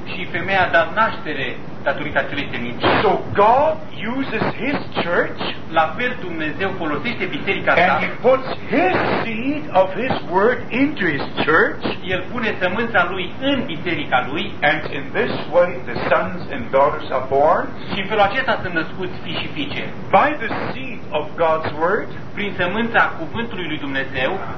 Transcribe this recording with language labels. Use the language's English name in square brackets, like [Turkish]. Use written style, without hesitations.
[Romanian] Și femeia a dat naștere datorită acelei seminte. [English] So God uses His church. [Romanian] La fel Dumnezeu folosește biserica sa. [English] And He puts His seed of His word into His church. [Romanian] El pune sămânța lui în biserica lui. [English] And in this way the sons and daughters are born. [Romanian] Și felul acesta sunt născuți fii și fiice. [English] By the seed of God's word. [Romanian] Prin sămânța cuvântului lui Dumnezeu.